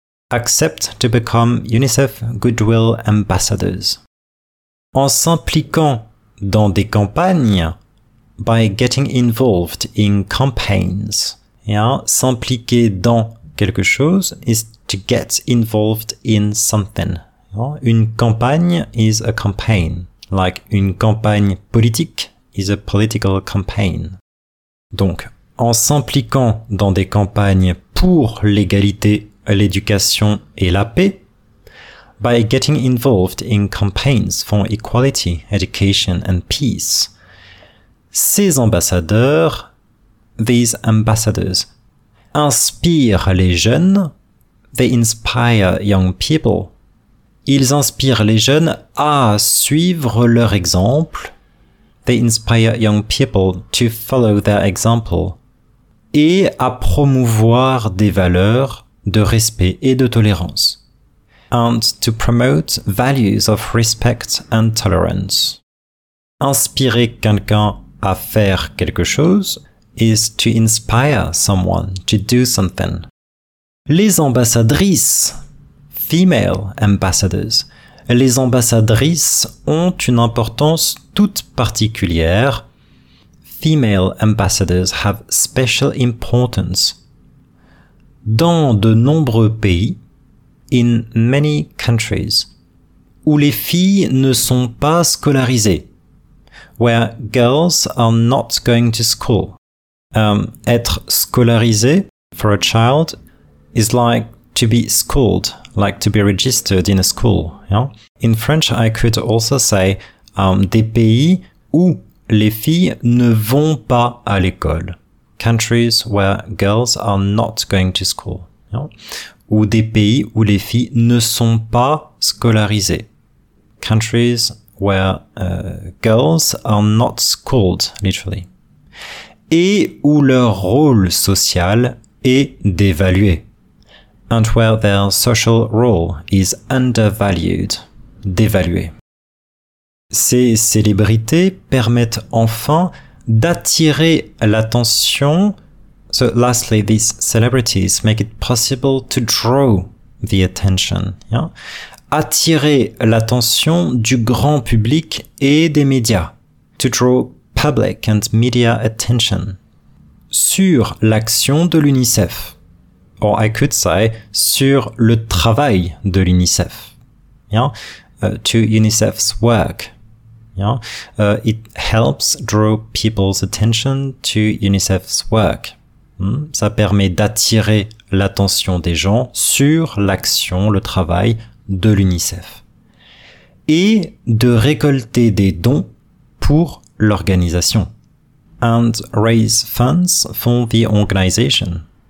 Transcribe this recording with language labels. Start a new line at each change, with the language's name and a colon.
English: Accept to become UNICEF goodwill ambassadors.
French: En s'impliquant dans des campagnes,
English: by getting involved in campaigns, yeah,
French: s'impliquer dans quelque chose
English: is to get involved in something.
French: Une campagne
English: is a campaign, like
French: une campagne politique
English: is a political campaign.
French: Donc, en s'impliquant dans des campagnes pour l'égalité, l'éducation et la paix,
English: by getting involved in campaigns for equality, education and peace,
French: ces ambassadeurs,
English: these ambassadors,
French: inspirent les jeunes,
English: they inspire young people.
French: Ils inspirent les jeunes à suivre leur exemple.
English: They inspire young people to follow their example.
French: Et à promouvoir des valeurs de respect et de tolérance.
English: And to promote values of respect and tolerance.
French: Inspirer quelqu'un à faire quelque chose
English: is to inspire someone to do something.
French: Les ambassadrices.
English: Female ambassadors.
French: Les ambassadrices ont une importance toute particulière.
English: Female ambassadors have special importance.
French: Dans de nombreux pays,
English: in many countries,
French: où les filles ne sont pas scolarisées,
English: where girls are not going to school.
French: Être scolarisé
English: for a child is like to be schooled, like to be registered in a school. Yeah? In French, I could also say
French: des pays où les filles ne vont pas à l'école.
English: Countries where girls are not going to school. Yeah?
French: Ou des pays où les filles ne sont pas scolarisées.
English: Countries where girls are not schooled, literally.
French: Et où leur rôle social est dévalué.
English: And where their social role is undervalued,
French: dévalué. Ces célébrités permettent enfin d'attirer l'attention.
English: So lastly, these celebrities make it possible to draw the attention. Yeah?
French: Attirer l'attention du grand public et des médias.
English: To draw public and media attention.
French: Sur l'action de l'UNICEF.
English: Or I could say,
French: sur le travail de l'UNICEF.
English: Yeah? To UNICEF's work. Yeah? It helps draw people's attention to UNICEF's work.
French: Ça permet d'attirer l'attention des gens sur l'action, le travail de l'UNICEF. Et de récolter des dons pour l'organisation.
English: And raise funds for the organization.